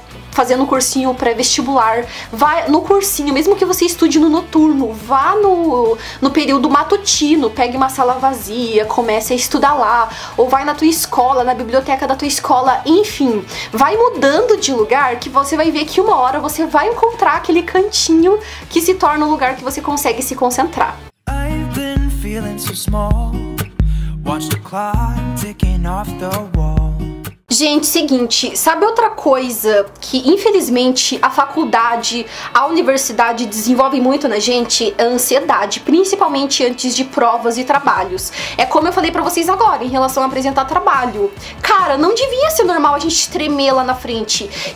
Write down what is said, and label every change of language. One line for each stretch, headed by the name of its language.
Portuguese: fazendo um cursinho pré-vestibular, vá no cursinho, mesmo que você estude no noturno, vá no período matutino, pegue uma sala vazia, comece a estudar lá, ou vai na tua escola, na biblioteca da tua escola, enfim, vai mudando de lugar, que você vai ver que uma hora você vai encontrar aquele cantinho que se torna o lugar que você consegue se concentrar.
English: I've been feeling so small, watch the clock ticking off the wall.
Portuguese: Gente, seguinte, sabe outra coisa que, infelizmente, a faculdade, a universidade desenvolve muito na gente? A ansiedade, principalmente antes de provas e trabalhos. É como eu falei pra vocês agora, em relação a apresentar trabalho. Cara, não devia ser normal a gente tremer lá na frente.